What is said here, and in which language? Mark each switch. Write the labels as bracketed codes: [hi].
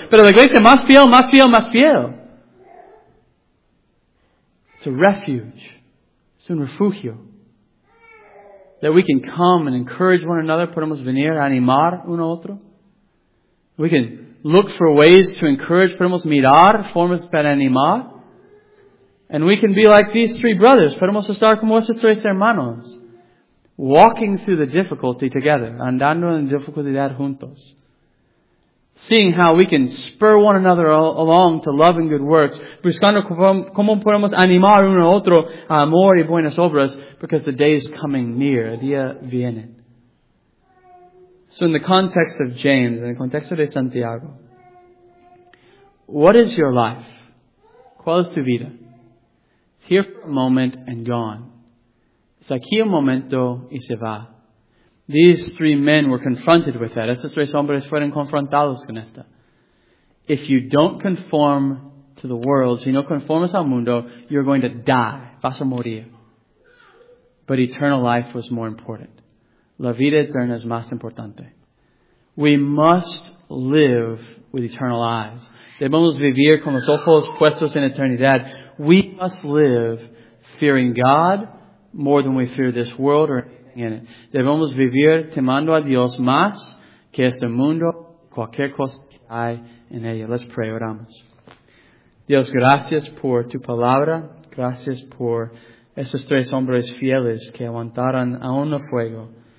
[es] Pero la iglesia más fiel, más fiel, más fiel. [en] It's a refuge. [es] Es un refugio. [en] That we can come and encourage one another. [es] Podemos venir a animar uno a otro. [en] We can look for ways to encourage, [es] podemos mirar, formas para animar. [en] And we can be like these three brothers, [es] podemos estar como estos tres hermanos. [en] Walking through the difficulty together, [es] andando en dificultad juntos. [en] Seeing how we can spur one another along to love and good works. [es] Buscando cómo podemos animar uno a otro a amor y buenas obras, [en] because the day is coming near, [es] el día viene. [en] So in the context of James, in the context of Santiago, what is your life? [es] ¿Cuál es tu vida? [en] It's here for a moment and gone. [es] Es aquí un momento y se va. [en] These three men were confronted with that. [es] Estos tres hombres fueron confrontados con esta. [en] If you don't conform to the world, [es] si no conformas al mundo, [en] you're going to die. [es] Vas a morir. [en] But eternal life was more important. [es] La vida eterna es más importante. [en] We must live with eternal eyes. [es] Debemos vivir con los ojos puestos en eternidad. [en] We must live fearing God more than we fear this world or anything in it. [es] Debemos vivir temando a Dios más que este mundo, cualquier cosa que hay en ella. [en] Let's pray, [es] oramos. Dios, gracias por tu palabra. Gracias por esos tres hombres fieles que aguantaron aún el fuego.